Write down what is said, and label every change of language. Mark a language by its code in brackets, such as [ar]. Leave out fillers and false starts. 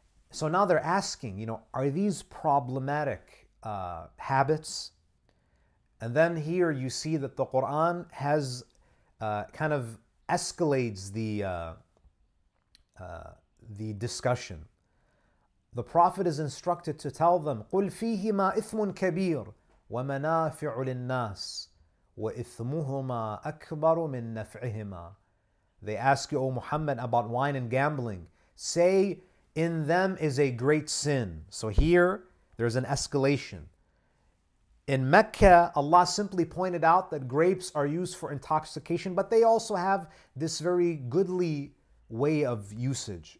[en] So now they're asking, you know, are these problematic habits? And then here you see that the Quran has kind of escalates the discussion. The Prophet is instructed to tell them, [ar] قُلْ فِيهِمَا إِثْمٌ كَبِيرٌ وَمَنَافِعُ لِلنَّاسِ وَإِثْمُهُمَا أَكْبَرُ مِن نَفْعِهِمَا. [en] They ask you, O Muhammad, about wine and gambling. Say, in them is a great sin. So here, there's an escalation. In Mecca, Allah simply pointed out that grapes are used for intoxication, but they also have this very goodly way of usage.